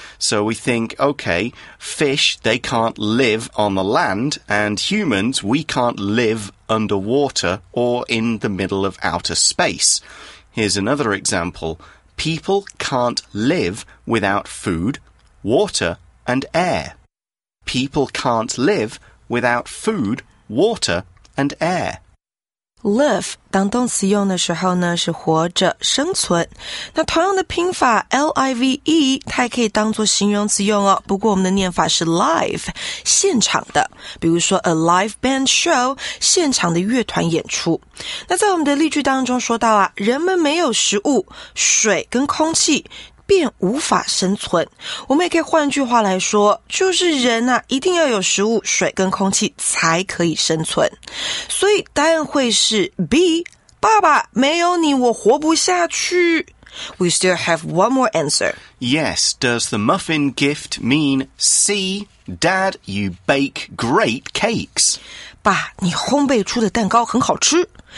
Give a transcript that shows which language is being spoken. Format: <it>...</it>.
<en>So we think, okay, fish, they can't live on the land, and humans, we can't live underwater or in the middle of outer space. Here's another example. People can't live without food, water, and air. People can't live without food, water, and air.</en> <zh>Live, 当动词用的时候呢是活着生存。那同样的拼法 ,L-I-V-E, 它也可以当作形容词用哦。不过我们的念法是 live, 现场的。比如说</zh> <en>a live band show,</en> <zh>现场的乐团演出。那在我们的例句当中说到啊，人们没有食物、水跟空气便无法生存。我们也可以换句话来说，就是人啊一定要有食物、水跟空气才可以生存。所以答案会是 B, 爸爸没有你我活不下去。</zh> <en>We still have one more answer. Yes, does the muffin gift mean C, Dad, you bake great cakes?</en> <zh>爸你烘焙出的蛋糕很好吃。</zh>